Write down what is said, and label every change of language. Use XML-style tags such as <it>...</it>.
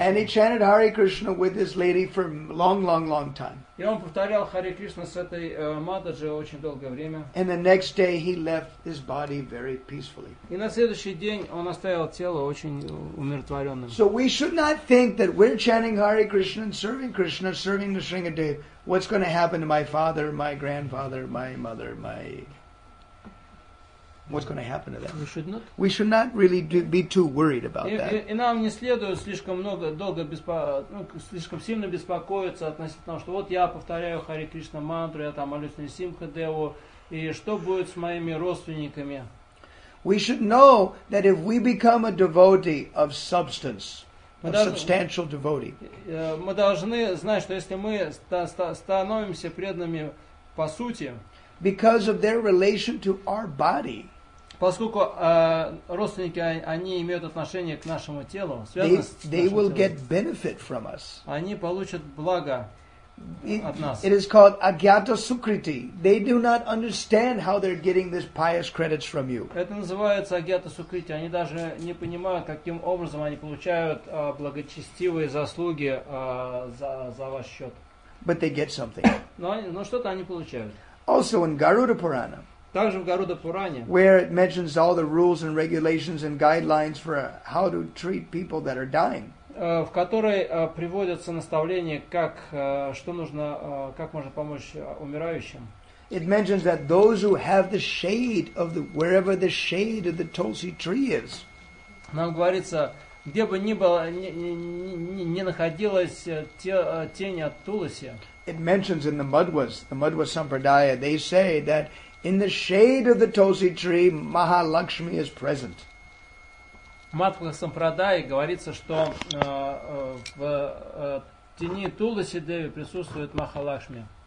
<en>And he chanted Hare Krishna with this lady for long time.</en> <ru>И он повторял Харе Кришна с этой Матаджи очень долгое время.</ru> <en>And the next day he left his body very peacefully.</en> <ru>И на следующий день он оставил тело очень умиротворенным.</ru> <en>So we should not think that we're chanting Hare Krishna and serving Krishna, serving Nrsingadev, what's going to happen to my father, my grandfather, my mother, my... What's going to happen to them? We should not really be too worried about that.</en> <ru>И нам не следует слишком много, долго, слишком сильно беспокоиться относительно того, что вот я повторяю Харе Кришна мантру, я там молюсь Нрсимхадеву, и что будет с моими родственниками?</ru> <en>We should know that if we become a devotee of substance, a substantial devotee.</en> <ru>Мы должны знать, что если мы становимся преданными по сути,</ru> <en>because of their relation to our body,</en> <ru>поскольку родственники, они имеют отношение к нашему телу,</ru> <en>they will get benefit from us.</en> <ru>Они получат благо.</ru> <en>It is called Agyata Sukriti. They do not understand how they're getting these pious credits from you.</en> <ru>Это называется Агьята Сукрити. Они даже не понимают, каким образом они получают благочестивые заслуги за ваш счет.</ru> <en>But they get something.</en> <ru>Но что-то они получают.</ru> <en>Also in Garuda Purana.</en> <ru>Также в Гаруда Пуране.</ru> <en>Where it mentions all the rules and regulations and guidelines for how to treat people that are dying.</en> <ru>В которой приводятся наставления, как что нужно, как можно помочь умирающим.</ru> <en>It mentions that those who have the shade of the wherever the shade of the tulsi tree is.</en> <ru>Нам говорится, где бы ни было, не находилась тень от туласи.</ru> <en>It mentions in the Madhva Sampradaya, they say that in the shade of the tulsi tree, Mahalakshmi is present.</en> <ru>Матха Сампрадай говорится, что в тени Туласи Деви присутствует Махалакшми.</ru>